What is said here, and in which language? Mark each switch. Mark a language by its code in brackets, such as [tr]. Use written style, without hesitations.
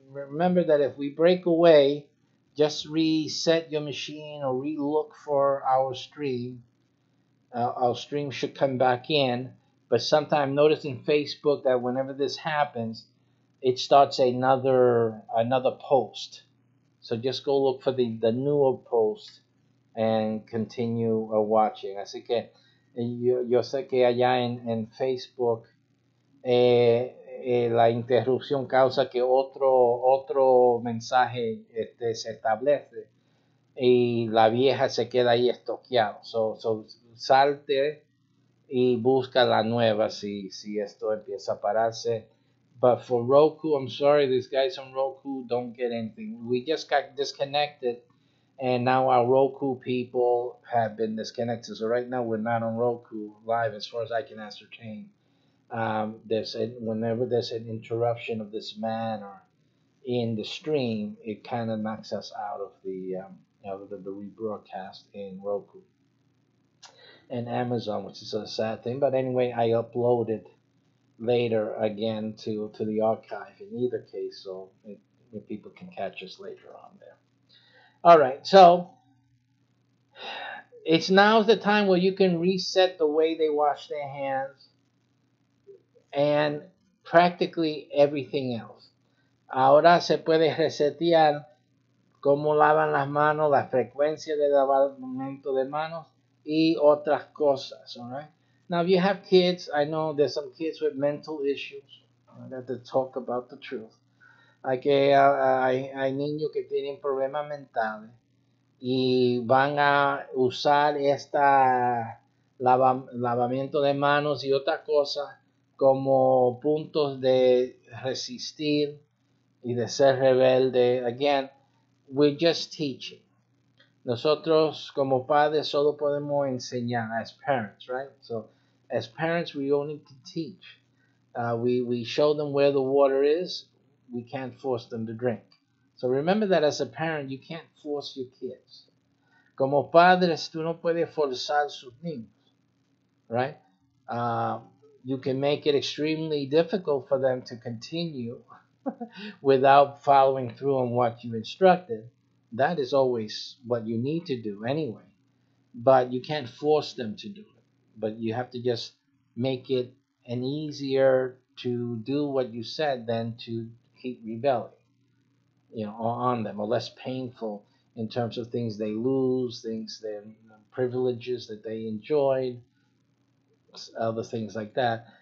[en] Remember that if we break away, just reset your machine or relook for our stream. Our stream should come back in. But sometime, notice in Facebook that whenever this happens, it starts another post. So just go look for the newer post. And continue watching. [es] Así que yo sé que allá en Facebook la interrupción causa que otro mensaje se establece y la vieja se queda ahí estoqueado. So salte y busca la nueva si esto empieza a pararse. [en] But for Roku, I'm sorry, these guys on Roku don't get anything. We just got disconnected. And now our Roku people have been disconnected. So right now we're not on Roku live as far as I can ascertain. Whenever there's an interruption of this manner in the stream, it kind of knocks us out of the rebroadcast in Roku and Amazon, which is a sad thing. But anyway, I upload it later again to the archive in either case, so if people can catch us later on there. All right, so it's now the time where you can reset the way they wash their hands and practically everything else. [es] Ahora se puede resetear cómo lavan las manos, la frecuencia de lavar el momento de manos y otras cosas, all right? [en] Now, if you have kids, I know there's some kids with mental issues. I have to talk about the truth. [es] Hay niños que tienen problemas mentales y van a usar esta lavamiento de manos y otras cosas como puntos de resistir y de ser rebelde. [en] Again, we're just teaching. [es] Nosotros como padres solo podemos enseñar, [en] as parents, right? So, as parents, we only can teach. We show them where the water is. We can't force them to drink. So remember that as a parent, you can't force your kids. [es] Como padres, tú no puedes forzar sus niños, right? [en] You can make it extremely difficult for them to continue without following through on what you instructed. That is always what you need to do anyway. But you can't force them to do it. But you have to just make it an easier to do what you said than to keep rebelling, you know, on them, or less painful in terms of things they lose, things, their privileges that they enjoyed, other things like that.